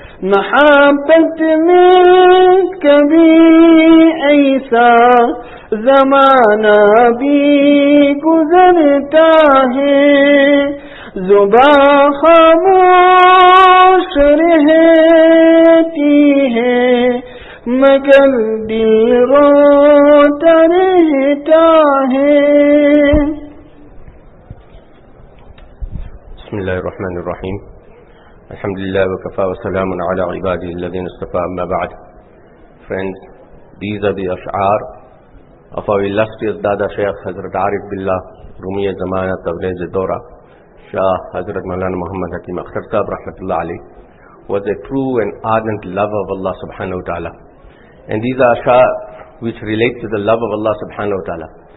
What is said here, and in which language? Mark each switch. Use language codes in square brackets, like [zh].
[ur] محبت میں کبھی ایسا زمانہ بھی گزرتا ہے زبان خاموش رہتی ہے مگر دل روتا رہتا ہے. [ar] بسم اللہ الرحمن الرحیم. الحمد لله وكفى وسلام على عباده الذين اصطفى. اما بعد, [en] friends, these are the ashar of our illustrious dada shaykh Hazrat Arif Billah Rumi Zamana Tabriz Dora Shah Hazrat Maulana Muhammad Hakim Akhtar Sahib rahmatullah alayh, was a true and ardent lover of Allah subhanahu wa ta'ala, and these are ashar which relate to the love of Allah subhanahu wa ta'ala.